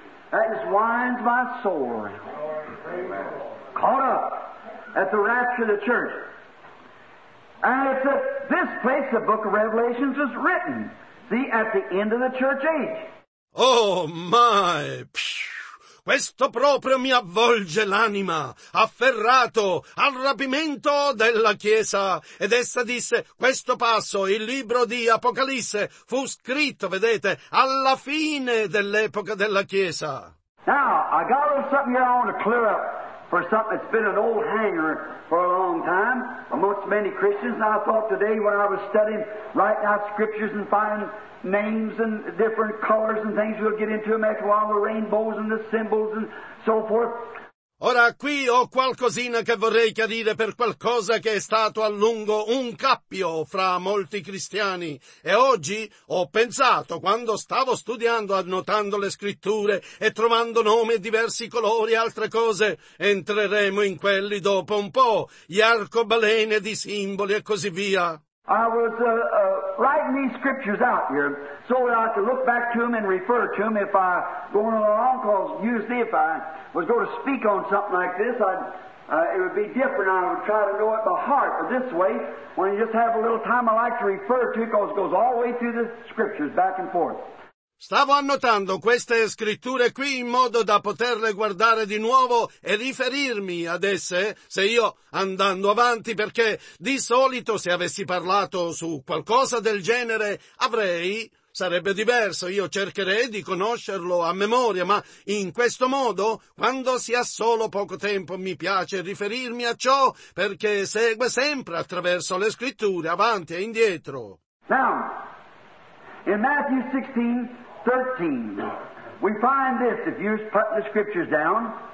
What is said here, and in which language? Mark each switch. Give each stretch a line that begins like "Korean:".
English: That just winds my soul around. Caught up at the rapture of the church. And it's at this place the book of Revelations is written. See, at the end of the church age. Oh my!
Italian: Questo proprio mi avvolge l'anima, afferrato al rapimento della Chiesa. Ed essa disse, questo passo, il libro di Apocalisse, fu scritto, vedete, alla fine dell'epoca della Chiesa.
English: Now, I got a little something here I want to clear up for something that's been an old hanger for a long time amongst many Christians. And I thought today when I was studying, writing out scriptures and finding names and different colors and things we'll get into them after a while, the rainbows and the symbols and so forth.
Italian: Ora qui ho qualcosina che vorrei chiarire per qualcosa che è stato a lungo un cappio fra molti cristiani. E oggi ho pensato, quando stavo studiando, annotando le scritture e trovando nomi, diversi colori, altre cose, entreremo in quelli dopo un po', gli arcobaleni di simboli e così via.
English: I was writing these scriptures out here so that I could look back to them and refer to them if I going along, because usually if I was going to speak on something like this, it would be different. I would try to know it by heart, but this way, when you just have a little time, I like to refer to it because it goes all the way through the scriptures, back and forth.
Italian: Stavo annotando queste scritture qui in modo da poterle guardare di nuovo e riferirmi ad esse, se io andando avanti, perché di solito se avessi parlato su qualcosa del genere sarebbe diverso, io cercherei di conoscerlo a memoria, ma in questo modo, quando si ha solo poco tempo, mi piace riferirmi a ciò, perché segue sempre attraverso le scritture, avanti e indietro.
English: Now. In Matthew 16, 13, we find this, if you're putting the scriptures down.